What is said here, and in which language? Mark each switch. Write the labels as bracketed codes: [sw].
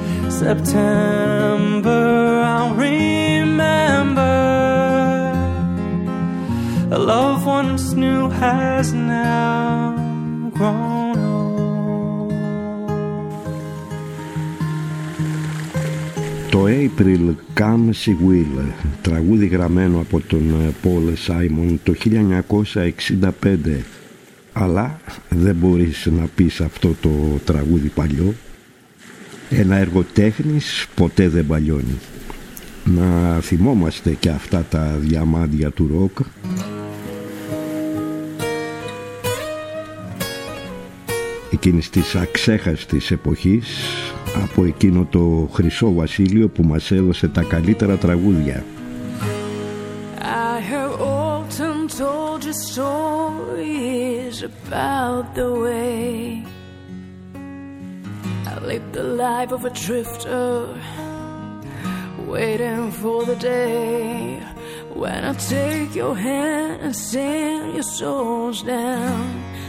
[en] September, I'll remember. A love once new has now grown old. [el] Το April Comes He Will, τραγούδι γραμμένο από τον Paul Simon το 1965. Αλλά δεν μπορείς να πεις αυτό το τραγούδι παλιό. Ένα έργο τέχνης ποτέ δεν παλιώνει. Να θυμόμαστε και αυτά τα διαμάντια του ροκ. Εκείνης της αξέχαστης εποχής, από εκείνο το χρυσό βασίλειο που μας έδωσε τα καλύτερα τραγούδια. [en] I have often told you stories about the way I lived the life of a drifter, waiting for the day when I take your hand and send your souls down.